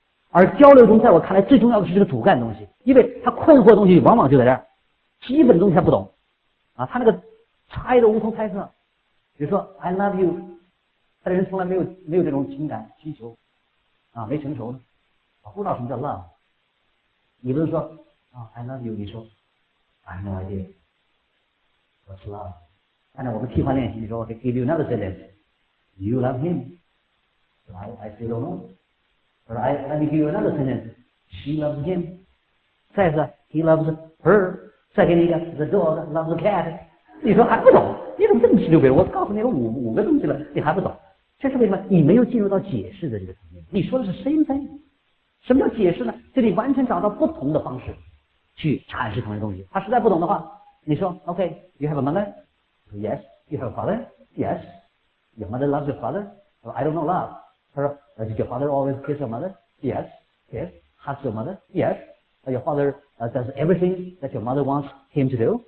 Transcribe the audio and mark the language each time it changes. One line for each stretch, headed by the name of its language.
Chinese: 而交流中，在我看来最重要的是这个主干东西，因为他困惑的东西往往就在这儿，基本的东西他不懂，啊，他那个猜都无从猜测。比如说
English: I love you，
Chinese: 他的人从来没有这种情感需求。啊，没成熟呢，我不知道什么叫 love。你不是说啊、
English: oh, ，I love you，
Chinese: 你说
English: ，I have no idea， what's love？
Chinese: 看来我们替换练习，你说
English: ，I give you another sentence，you love him， so I still don't know， or I let me give you another sentence，she loves him，
Chinese: 再次
English: he loves her，
Chinese: 再给你一个
English: the dog loves the cat，
Chinese: 你说还不懂？你怎么这么直溜别人？我告诉你有五个东西了，你还不懂？这是为什么？你没有进入到解释的这个层面。你说的是
English: same thing，
Chinese: 什么叫解释呢？就你完全找到不同的方式去阐释同一个东西。他实在不懂的话，你说
English: OK， you have a mother， yes， you have a father， yes， your mother loves your father， so I don't know love。
Chinese: 他说
English: Does your father always kiss your mother？ Yes， kiss， hugs your mother？ Yes， your father does everything that your mother wants him to do？